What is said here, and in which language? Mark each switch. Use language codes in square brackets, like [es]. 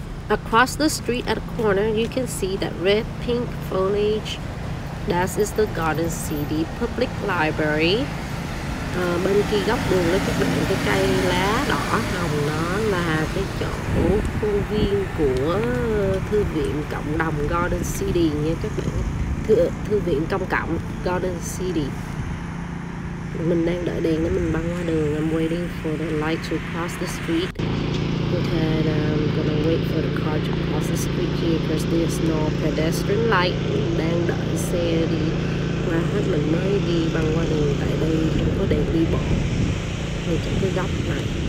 [en] Across the street at a corner, you can see that red pink foliage. That is the Garden City Public Library. [vi] Bên kia góc đường đó các bạn, cái cây lá đỏ hồng đó là cái chỗ khuôn viên của thư viện cộng đồng Garden City nha các bạn. Thư viện công cộng Garden City. Mình đang đợi đèn để mình băng qua đường. [en] I'm waiting for the light to cross the street. and I'm gonna wait for the car to cross the street here because there's no pedestrian light. [vi] Đang đợi xe đi qua hết mình mới đi băng qua đường tại đây không có đèn đi bộ thì chỉ cái góc này.